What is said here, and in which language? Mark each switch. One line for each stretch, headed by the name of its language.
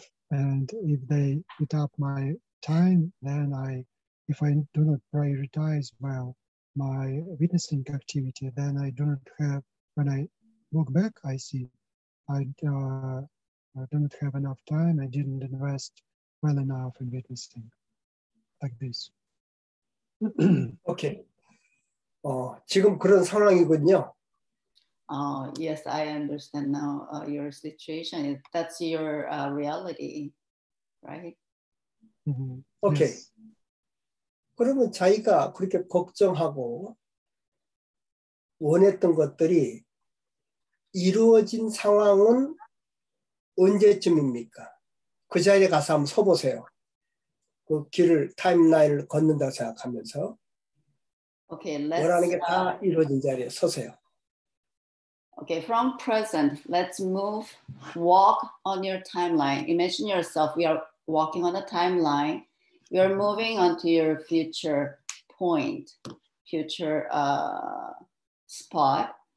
English: And if they eat up my time, then if I do not prioritize well my witnessing activity, then I do not have, when I look back, I see I do not have enough time, I didn't invest well enough in witnessing, like this.
Korean: Okay. 지금 그런 상황이군요.
English: Yes, I understand now your situation. That's your reality, right? Mm-hmm. Okay. Yes.
Korean: 그러면 자기가 그렇게 걱정하고 원했던 것들이 이루어진 상황은 언제쯤입니까? 그 자리에 가서 한번 서보세요. 그 길을 타임라인을 걷는다고 생각하면서
English: okay, let's,
Korean: 원하는 게 다 이루어진 자리에 서세요.
English: Okay, from present, let's move, walk on your timeline. Imagine yourself, we are walking on a timeline. You're moving onto your future point, future spot.